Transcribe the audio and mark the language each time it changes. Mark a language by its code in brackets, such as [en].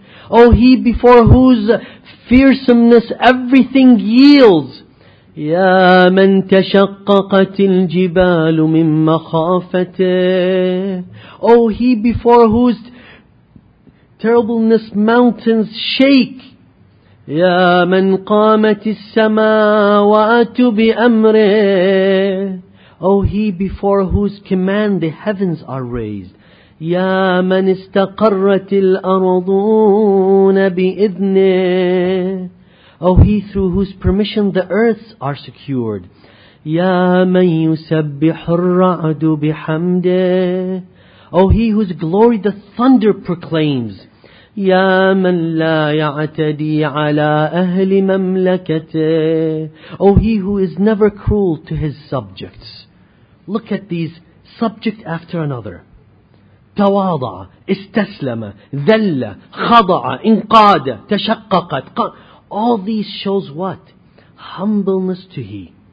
[en] O he before whose fearsomeness everything yields. [ar] يا من تشققت الجبال من مخافته. [en] O he before whose terribleness mountains shake. [ar] يا من قامت السماوات بأمره. [en] O he before whose command the heavens are raised. [ar] يا من استقرت الأرضون بإذنه. [en] O he through whose permission the earths are secured. [ar] يا من يسبح الرعد بحمده. [en] Oh, he whose glory the thunder proclaims. [ar] يا من لا يعتدي على أهل مملكته. [en] Oh, he who is never cruel to his subjects. Look at these subject after another. [ar] تواضع, استسلم, ذل, خضع, انقاد, تشققت. [en] All these shows what? Humbleness to He.